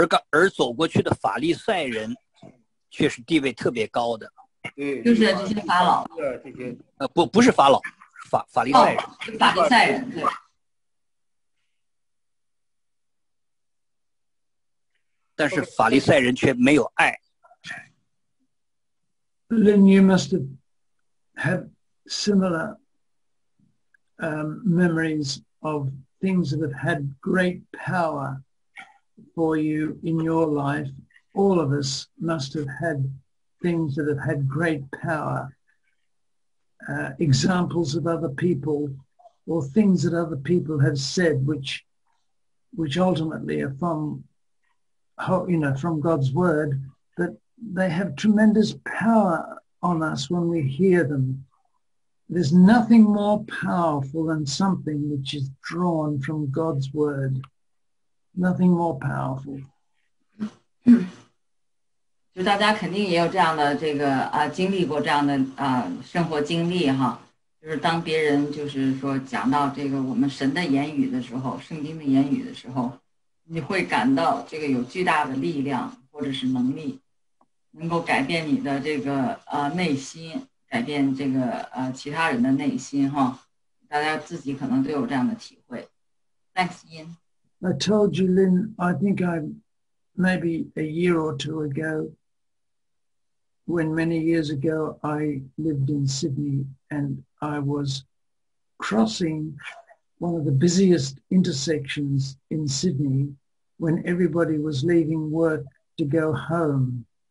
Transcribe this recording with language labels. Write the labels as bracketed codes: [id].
[zh] 而走过去的法利赛人却是地位特别高的。对，就是这些法老，对，这些不是法老，法利赛人、哦、法利赛人，对。但是法利赛人却没有爱。 [en] Then you must have similar memories of things that have had great power for you in your life. All of us must have had things that have had great power, examples of other people or things that other people have said which ultimately are from God's word, that they have tremendous power on us when we hear them. There's nothing more powerful than something which is drawn from God's word. Nothing more powerful. [zh] 就大家肯定也有这样的这个经历过这样的生活经历哈，就是当别人就是说讲到这个我们神的言语的时候，圣经的言语的时候，你会感到这个有巨大的力量或者是能力，能够改变你的这个内心，改变这个其他人的内心哈，大家自己可能都有这样的体会。 [en] Thanks, Ian. I told you, Lynn. I think maybe a year or two ago, when many years ago I lived in Sydney and I was crossing one of the busiest intersections in Sydney when everybody was leaving work to go home.